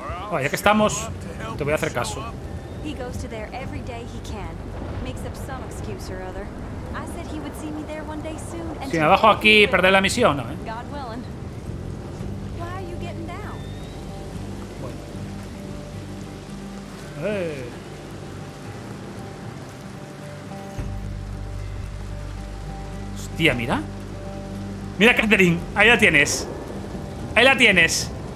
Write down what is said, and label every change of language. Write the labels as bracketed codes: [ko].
[es] Oh, ya que estamos, te voy a hacer caso. [en] He goes to there every day he can. Makes up some excuse or other. I said he would see me there one day soon. [es] Si me bajo aquí, perder la misión, ¿no? [en] God willing. Why are you getting down? [es] Hostia, mira. Mira, Catherine, ahí la tienes. Ahí la tienes.